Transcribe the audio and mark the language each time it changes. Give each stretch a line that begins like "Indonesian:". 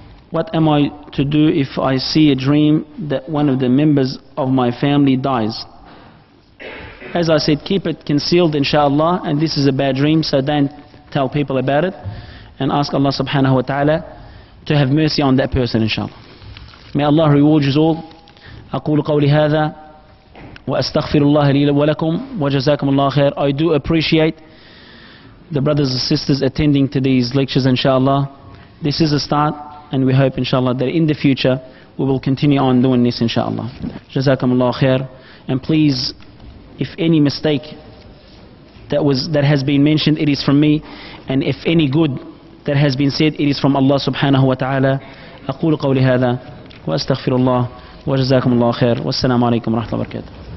English: What am I to do if I see a dream that one of the members of my family dies? As I said, keep it concealed, inshallah, and this is a bad dream, so don't tell people about it, and ask Allah subhanahu wa ta'ala to have mercy on that person, inshallah. May Allah reward you all.
Arabic: أقول قولي هذا وأستغفر الله لي ولكم وجزاكم الله خير.
English: I do appreciate the brothers and sisters attending to these lectures, inshallah. This is a start, and we hope, inshallah, that in the future we will continue on doing this, inshallah.
Arabic: جزاكم الله خير.
English: And please, if any mistake that has been mentioned, it is from me. And if any good that has been said, it is from Allah subhanahu wa ta'ala.
Arabic: أقول قولي هذا وأستغفر الله وجزاكم الله خير والسلام عليكم ورحمة الله وبركاته.